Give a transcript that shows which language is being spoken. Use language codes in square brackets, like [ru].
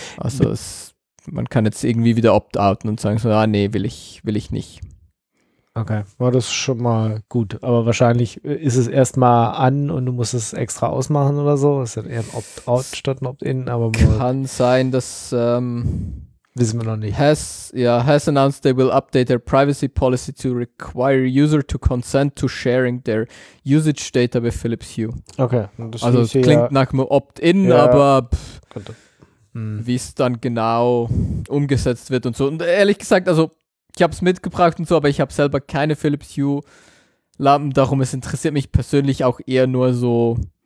[de] Also man kann jetzt irgendwie wieder opt-outen und sagen so, nee, will ich nicht. Okay, war das schon mal gut. Aber wahrscheinlich ist es erstmal an und du musst es extra ausmachen oder so. Ist dann eher ein Opt-out statt ein Opt-in, aber kann sein, dass wissen wir noch nicht. [en] Has announced they will update their privacy policy to require user to consent to sharing their usage data with Philips Hue. [de] Okay. Das also es klingt ja nach einem Opt-in, ja, aber wie es dann genau umgesetzt wird und so. Und ehrlich gesagt, also ich habe es mitgebracht und so, aber ich habe selber keine Philips Hue Lampen, darum es interessiert mich persönlich auch eher nur so